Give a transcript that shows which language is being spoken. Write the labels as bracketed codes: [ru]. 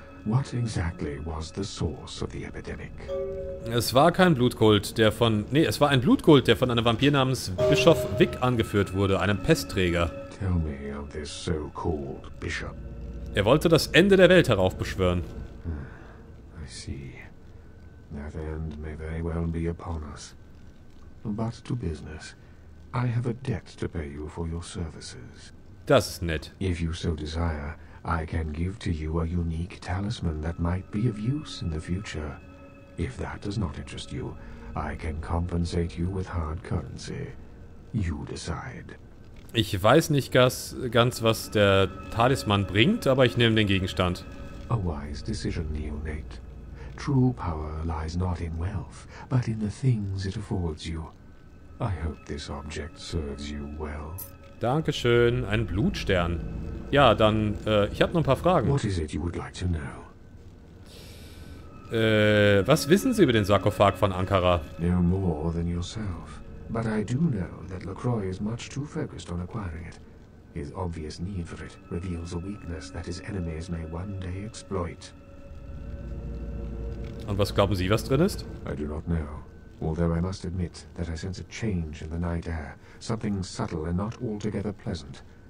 [en] What exactly was the source of the epidemic? [de] Es war ein Blutkult, der von einem Vampir namens Bischof Vic angeführt wurde, einem Pestträger. [en] Tell me of this so-called bishop. [de] Er wollte das Ende der Welt heraufbeschwören. [en] I see. That end may very well be upon us. But to business. I have a debt to pay you for your services. [de] Das ist nett. [en] If you so desire, I can give to you a unique talisman that might be of use in the future. If that does not interest you, I can compensate you with hard currency. You decide. [de] Ich weiß nicht ganz, was der Talisman bringt, aber ich nehme den Gegenstand. [en] A wise decision, Neonate. True power lies not in wealth, but in the things it affords you. I hope this object serves you well. [de] Dankeschön, ein Blutstern. Ja, dann, ich habe noch ein paar Fragen. [en] What is it you would like to know? [de] Was wissen Sie über den Sarkophag von Ankara? [en] No more than yourself. But I do know that LaCroix is much too focused on acquiring it. His obvious need for it reveals a weakness that his enemies may one day exploit. [de] Und was glauben Sie, was drin ist? [en] I do not know. Although I must admit that I sense a change in the night air. Something subtle and not altogether pleasant.